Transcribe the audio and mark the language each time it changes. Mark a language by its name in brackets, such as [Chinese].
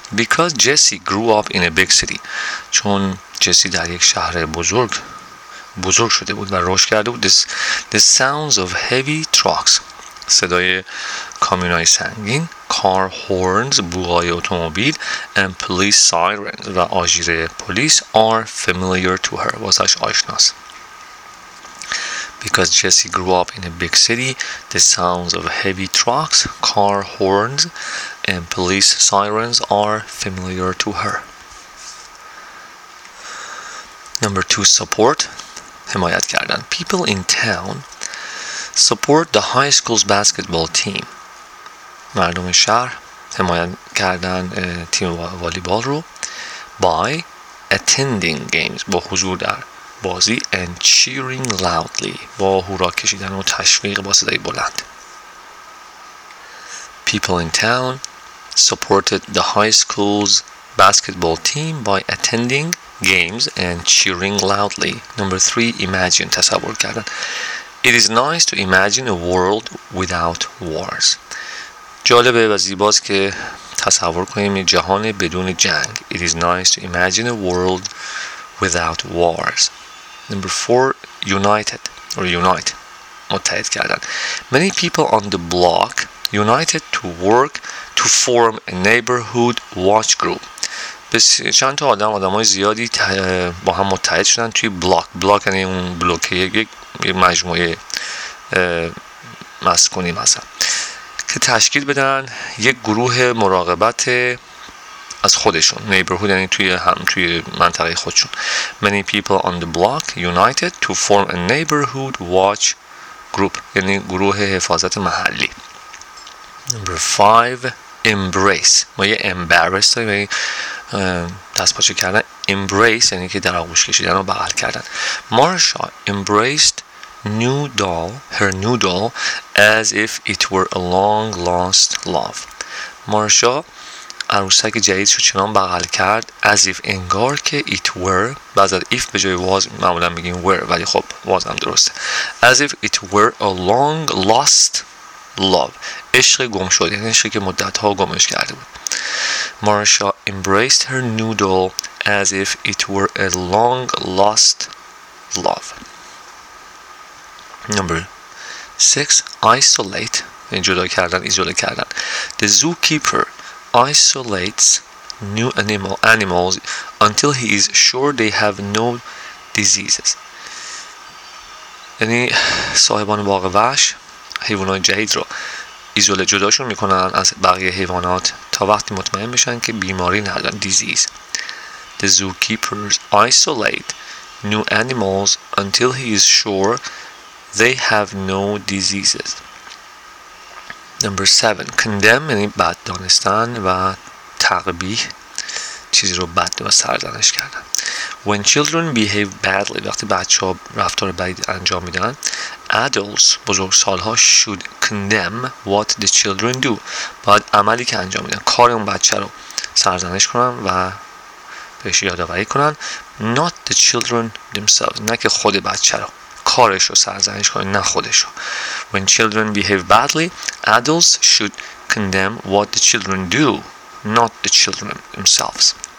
[English] Because Jesse grew up in a big city. [Persian] چون جسی در یک شهر بزرگ شده بود و رشد کرده بود. [English] The sounds of heavy trucks. [Persian] صدای کامیونای سنگین. [English] Car horns. [Persian] بوهای اتومبیل. [English] And police sirens. [Persian] و آژیر پلیس. [English] Are familiar to her. [Persian] واسش آشناست. [English] Because Jesse grew up in a big city, the sounds of heavy trucks, car horns, and police sirens are familiar to her. Number 2, support. [Persian] حمایت کردن. [English] People in town support the high school's basketball team. [Persian] مردم شهر حمایت کردن تیم والیبال رو. [English] By attending games. [Persian] با حضور در. بازی [English] and cheering loudly [Persian] با هورا کشیدن و تشویق با صدای بلند. [English] People in town supported the high school's basketball team by attending games and cheering loudly. Number 3, imagine, [Persian] تصور کردن. [English] It is nice to imagine a world without wars. [Persian] جالبه و زیباست که تصور کنیم جهان بدون جنگ. [English] It is nice to imagine a world without wars. Number 4, united or unite, [Persian] متحد کردن. [English] Many people on the block united to work to form a neighborhood watch group. [Persian] چند تا آدم‌های زیادی با هم متحد شدن توی بلاک. بلاک یعنی اون بلوکه یک مجموعه مسکونی مثلا که تشکیل بدن یک گروه مراقبت از خودشون. neighborhood یعنی توی منطقه خودشون. [English] Many people on the block united to form a neighborhood watch group. [Persian] یعنی گروه حفاظت محلی. [English] Number 5, embrace. [Persian] ما یه embarrass داریم. دستپاچه کردن. Embrace یعنی که در آغوش کشیدن و بغل کردن. [English] Marsha embraced new doll, her new doll, as if it were a long lost love. [Persian] Marsha عروسک جدید شو چنان بغل کرد [English] as if [Persian] انگار که [English] it were [Persian] بعد از if به جای was معمولا میگیم were ولی خب was هم درسته [English] as if it were a long lost love [Persian] عشق گم شده یعنی عشقی که مدت ها گمش کرده بود. [English] Marsha embraced her new doll as if it were a long lost love. Number 6, isolate. [Persian] این جدا کردن, ایزوله کردن. [English] The zookeeper isolates new animals until he is sure they have no diseases. [Persian] یعنی صاحبان باغ وحش حیوانات جدید رو ایزوله جداشون میکنن از بقیه حیوانات تا وقتی مطمئن بشن که بیماری ندارن. [English] Disease. The zookeepers isolate new animals until he is sure they have no diseases. Number 7, condemn, [Persian] یعنی بد دانستن و تقبیح, چیزی رو بد و سرزنش کردن. [English] When children behave badly, [Persian] وقتی بچه ها رفتار بد انجام میدن, [English] adults, [Persian] بزرگ سال ها, [English] should condemn what the children do. [Persian] باید عملی که انجام میدن, کار اون بچه رو سرزنش کنن و بهش یادآوری کنن. [English] Not the children themselves, [Persian] نه که خود بچه رو. کارش رو سرزنش کنه نه خودش رو. [English] When children behave badly, adults should condemn what the children do, not the children themselves.